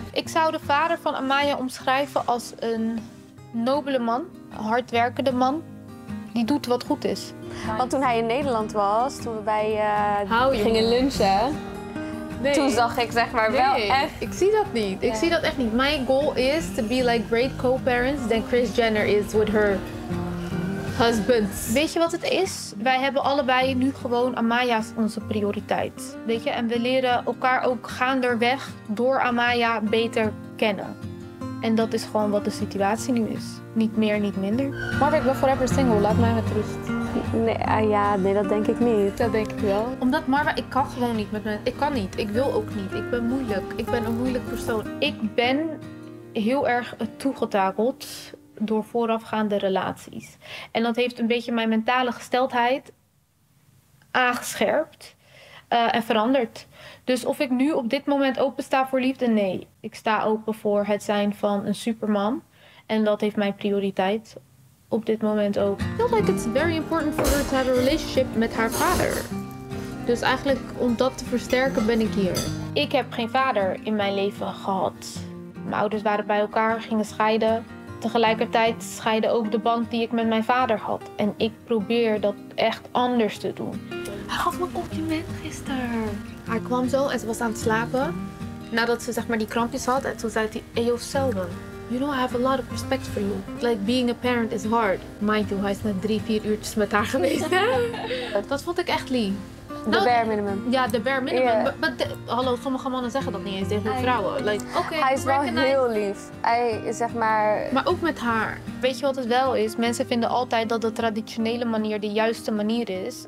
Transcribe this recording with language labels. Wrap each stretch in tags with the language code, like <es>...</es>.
<nl>Ik zou de vader van Amaya omschrijven als een nobele man. Een hardwerkende man. Die doet wat goed is. Want toen hij in Nederland was, toen we bij gingen lunchen. Nee. Toen zag ik zeg maar wel echt. Ik zie dat niet. Ik zie dat echt niet.</nl> <en>My goal is to be like great co-parents than Kris Jenner is with her husband.</en> <nl>Weet je wat het is? Wij hebben allebei nu gewoon Amaya als onze prioriteit. Weet je? En we leren elkaar ook gaanderweg door Amaya beter kennen. En dat is gewoon wat de situatie nu is. Niet meer, niet minder. Maar ik ben</nl> <en>forever single.</en> <nl>Laat mij met rust. Nee, dat denk ik niet. Dat denk ik wel. Omdat Marwa, ik kan gewoon niet met mijn... Ik kan niet. Ik wil ook niet. Ik ben moeilijk. Ik ben een moeilijk persoon. Ik ben heel erg toegetakeld door voorafgaande relaties. En dat heeft een beetje mijn mentale gesteldheid aangescherpt en veranderd. Dus of ik nu op dit moment opensta voor liefde? Nee. Ik sta open voor het zijn van een superman. En dat heeft mijn prioriteit op dit moment ook.</nl> <en>I feel like it's very important for her to have a relationship</en> <nl>met haar vader. Dus eigenlijk om dat te versterken ben ik hier. Ik heb geen vader in mijn leven gehad. Mijn ouders waren bij elkaar, gingen scheiden. Tegelijkertijd scheidde ook de band die ik met mijn vader had. En ik probeer dat echt anders te doen. Hij gaf me een compliment gisteren. Hij kwam zo en ze was aan het slapen. Nadat ze zeg maar die krampjes had en toen zei hij, Eyo Selva.</nl> <en>You know, I have a lot of respect for you. Like, being a parent is hard. Mind you,</en> <nl>hij is net 3-4 uurtjes met haar geweest. Dat vond ik echt lief. De bare minimum. Ja, de bare minimum. Yeah. Hallo, sommige mannen zeggen dat niet eens tegen vrouwen.</nl> <en>Like, okay,</en> <nl>hij is wel heel lief. Hij is zeg maar... Maar ook met haar. Weet je wat het wel is? Mensen vinden altijd dat de traditionele manier de juiste manier is.</nl>